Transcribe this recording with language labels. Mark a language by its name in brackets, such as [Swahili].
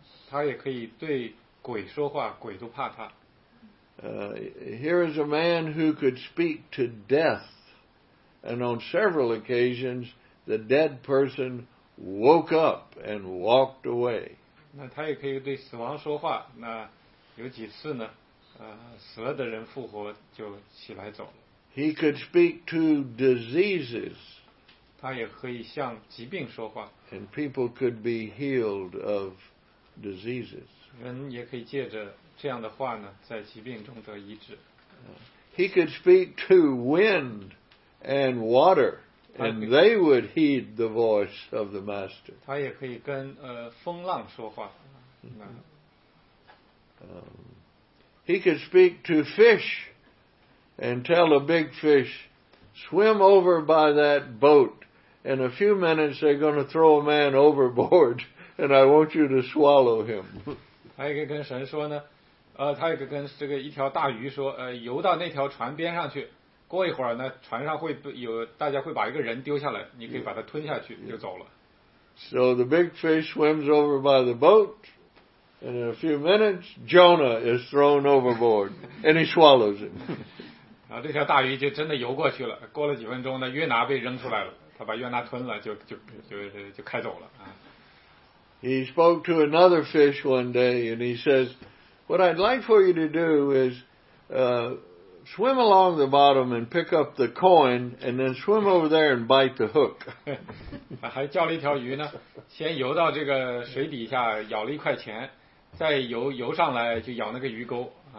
[Chinese] 他也可以对鬼说话，鬼都怕他。 [English] Here is a man who could speak to death, and on several occasions the dead person woke up and walked away. [Chinese] 那他也可以对死亡说话，那有几次呢？死了的人复活就起来走了。 [English] He could speak to diseases. [Chinese] 他也可以向疾病说话。 [English] And people could be healed of diseases. [Chinese] 人也可以借着这样的话呢，在疾病中得医治。 [English] He could speak to wind and water, and they would heed the voice of the master. [Chinese] 他也可以跟风浪说话。 [English] He could speak to fish and tell a big fish, swim over by that boat. In a few minutes, they're going to throw a man overboard, and I want you to swallow him. [Chinese] 他也可以跟神说呢。他也跟这个一条大鱼说，游到那条船边上去，过一会儿呢，船上会有大家会把一个人丢下来，你可以把它吞下去 yeah, 就走了。 [English] So the big fish swims over by the boat, and in a few minutes, Jonah is thrown overboard, and he swallows him. [Chinese] 然后这条大鱼就真的游过去了，过了几分钟呢，约拿被扔出来了，他把约拿吞了，就开走了。 [English] He spoke to another fish one day and he says, what I'd like for you to do is swim along the bottom and pick up the coin and then swim over there and bite the hook. [Chinese] 还叫了一条鱼呢，先游到这个水底下咬了一块钱，再游上来就咬那个鱼钩。